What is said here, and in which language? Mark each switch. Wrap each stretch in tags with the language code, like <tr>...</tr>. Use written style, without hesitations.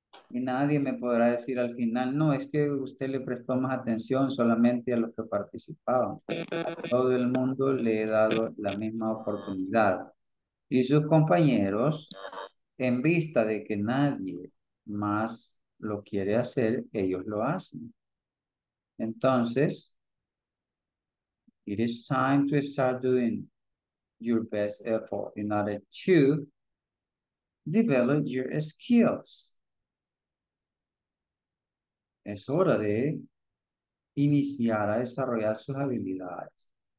<es>Y nadie me podrá decir al final, no, es que usted le prestó más atención solamente a los que participaban. A todo el mundo le he dado la misma oportunidad. Y sus compañeros, en vista de que nadie más lo quiere hacer, ellos lo hacen. Entonces,</es> <en>it is time to start doing your best effort in order to develop your skills.</en> <es>Es hora de iniciar a desarrollar sus habilidades.</es>